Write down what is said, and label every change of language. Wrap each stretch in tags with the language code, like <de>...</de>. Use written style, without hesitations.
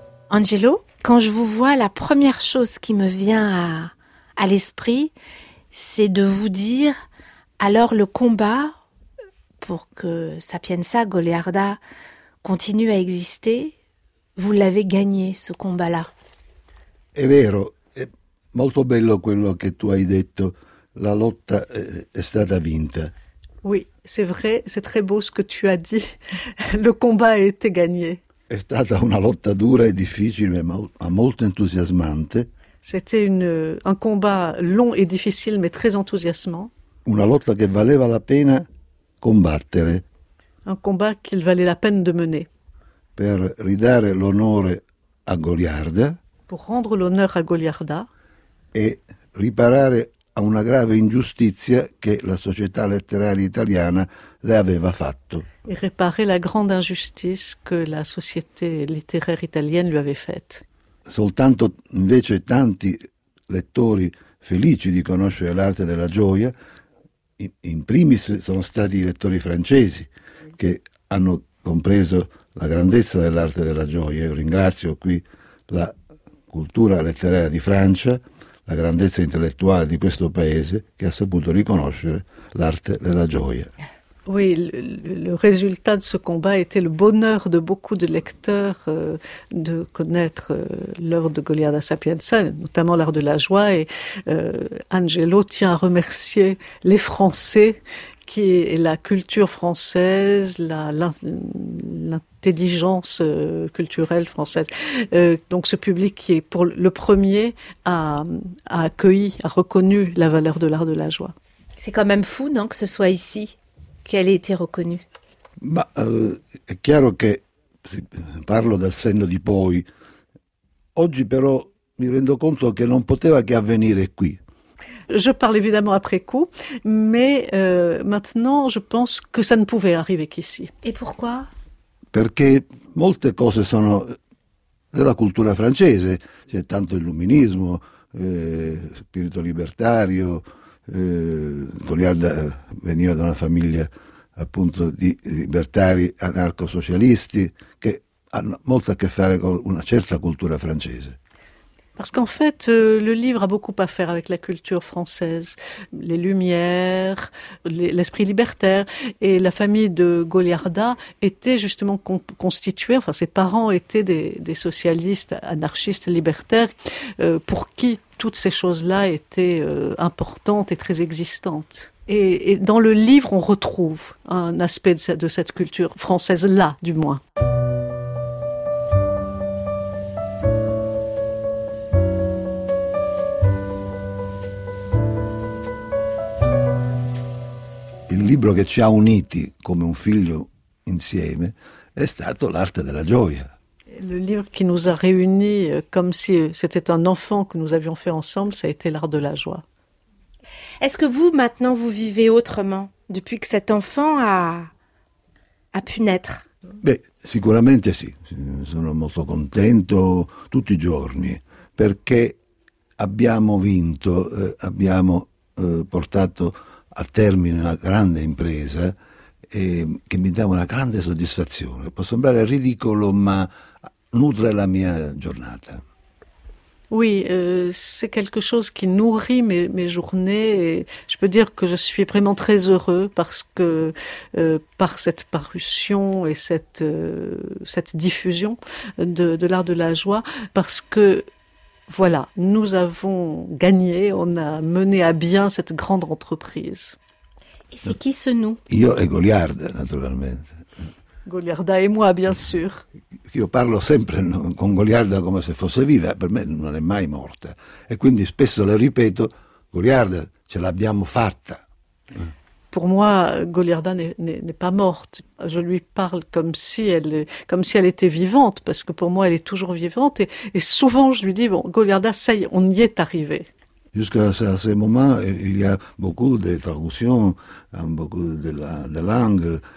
<fr>Angelo, quand je vous vois, la première chose qui me vient à l'esprit, c'est de vous dire, alors le combat pour que Sapienza Goliarda continue à exister, vous l'avez gagné, ce combat-là.</fr> <it>È vero, è molto bello quello che tu hai detto. La lotta è stata vinta.</it> <fr>Oui, c'est vrai, c'est très beau ce que tu as dit. Le combat a été gagné.</fr> <it>È stata una lotta dura e difficile, ma molto entusiasmante.</it> <fr>C'était un combat long et difficile, mais très enthousiasmant.</fr> <it>Una lotta che valeva la pena combattere.</it> <fr>Un combat qu'il valait la peine de mener.</fr> <it>Per ridare l'onore a Goliarda.</it> <fr>Pour rendre l'honneur à Goliarda.</fr> <it>E riparare a una grave ingiustizia che la società letteraria italiana le aveva fatto.</it> <fr>Et réparer la grande injustice que la société littéraire italienne lui avait faite.</fr> <it>Soltanto invece tanti lettori felici di conoscere l'arte della gioia, in primis sono stati i lettori francesi che hanno compreso la grandezza dell'arte della gioia. Io ringrazio qui la cultura letteraria di Francia, la grandezza intellettuale di questo paese che ha saputo riconoscere l'arte della gioia.</it> <fr>Oui, le résultat de ce combat était le bonheur de beaucoup de lecteurs de connaître l'œuvre de Goliarda Sapienza, notamment l'art de la joie. Et Angelo tient à remercier les Français, qui est la culture française, l'intelligence culturelle française. Donc ce public qui est pour le premier a accueilli, a reconnu la valeur de l'art de la joie. C'est quand même fou, non, que ce soit ici qu'elle ait été reconnue.</fr> <it>Bah, è chiaro che parlo dal senno di poi. Oggi però mi rendo conto che non poteva che avvenire qui.</it> <fr>Je parle évidemment après coup, mais maintenant je pense que ça ne pouvait arriver qu'ici. Et pourquoi?</fr> <it>Perché molte cose sono della cultura francese, c'è tanto illuminismo, spirito libertario. Goliarda veniva da una famiglia appunto di libertari anarco-socialisti che hanno molto a che fare con una certa cultura francese.</it> <fr>Parce qu'en fait, le livre a beaucoup à faire avec la culture française, les Lumières, l'esprit libertaire. Et la famille de Goliarda était justement constituée, enfin ses parents étaient des socialistes, anarchistes, libertaires, pour qui toutes ces choses-là étaient importantes et très existantes. Et dans le livre, on retrouve un aspect de cette culture française-là, du moins.</fr> <it>Il libro che ci ha uniti come un figlio insieme è stato L'arte della gioia.</it> <fr>Le</fr> <it>libro che</it> <fr>nous a réuni comme si c'était un enfant que nous avions fait ensemble, ça a été L'art de la joie. Est-ce que vous maintenant vous vivez autrement depuis que cet enfant a pu naître?</fr> <it>Beh, sicuramente sì. Sono molto contento tutti i giorni perché abbiamo vinto, abbiamo portato a termine una grande impresa che mi dà una grande soddisfazione. Può sembrare ridicolo, ma nutre la mia giornata.</it> <fr>Oui, c'est quelque chose qui nourrit mes journées. Et je peux dire que je suis vraiment très heureux parce que par cette parution et cette diffusion de l'art de la joie, parce que voilà, nous avons gagné, on a mené à bien cette grande entreprise. Et c'est qui ce nous?</fr> <it>Io e Goliarda, naturalmente.</it> <fr>Goliarda et moi, bien sûr.</fr> <it>Io parlo sempre con Goliarda come se fosse viva, per me non è mai morta. E quindi spesso le ripeto, Goliarda, ce l'abbiamo fatta.</it> <fr>Pour moi, Goliarda n'est pas morte. Je lui parle comme si elle était vivante, parce que pour moi, elle est toujours vivante. Et souvent, je lui dis, bon, Goliarda, ça y est, on y est arrivé. Jusqu'à ce moment, il y a beaucoup de traductions, beaucoup de langues.</fr>